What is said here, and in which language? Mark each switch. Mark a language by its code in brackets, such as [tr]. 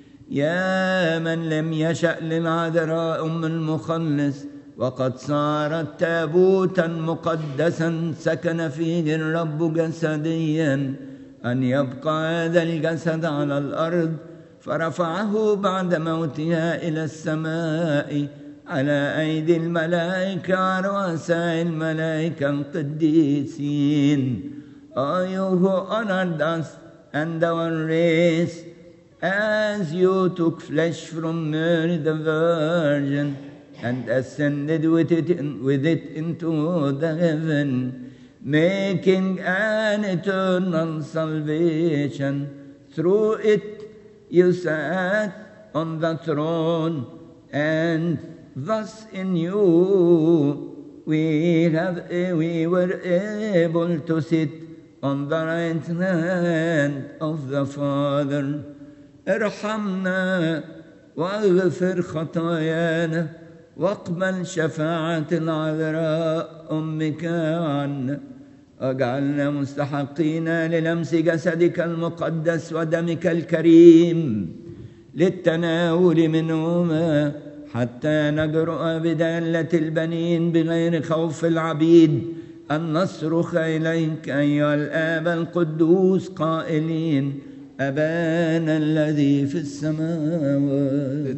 [ar] يا من لم يشأ للعذراء أم المخلص وقد صارت تابوتا مقدسا سكن فيه الرب جسديا أن يبقى هذا الجسد على الأرض فرفعه بعد موتها إلى السماء على أيدي الملائكة رؤساء الملائكة القديسين. [en] Are you who honored us and our race as you took flesh from Mary the Virgin and ascended with it into the heaven, making an eternal salvation. Through it you sat on the throne and thus in you we were able to sit on the right hand of the Father. [ar] ارحمنا واغفر خطايانا واقبل شفاعة العذراء أمك عنا، واجعلنا مستحقين للمس جسدك المقدس ودمك الكريم للتناول منهما، حتى نجرؤ بدالة البنين بغير خوف العبيد أن نصرخ إليك أيها الآب القدوس قائلين: أبانا الذي في السماوات.